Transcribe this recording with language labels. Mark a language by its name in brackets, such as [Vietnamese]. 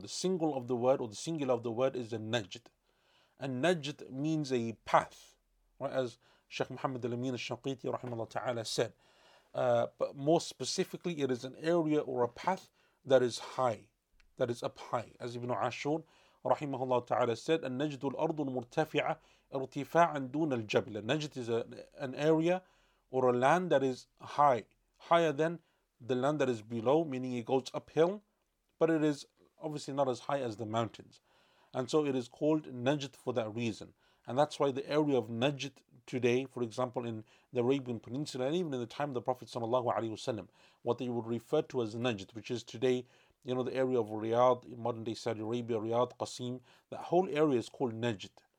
[English] The single of the word, or the singular of the word, is a najd. And najd means a path, right? As Sheikh Muhammad al-Amin al-Shanqiti rahimahullah ta'ala said. But more specifically, it is an area or a path that is high, that is up high. As Ibn Ashur rahimahullah ta'ala said, [Arabic] النجد الأرض المرتفعة ارتفاعا دون الجبل. [English] Najd is an area or a land that is high, higher than the land that is below, meaning it goes uphill, but it is obviously not as high as the mountains. And so it is called Najd for that reason. And that's why the area of Najd today, for example, in the Arabian Peninsula, and even in the time of the Prophet ﷺ, what they would refer to as Najd, which is today, you know, the area of Riyadh, in modern-day Saudi Arabia, Riyadh, Qasim, that whole area is called Najd.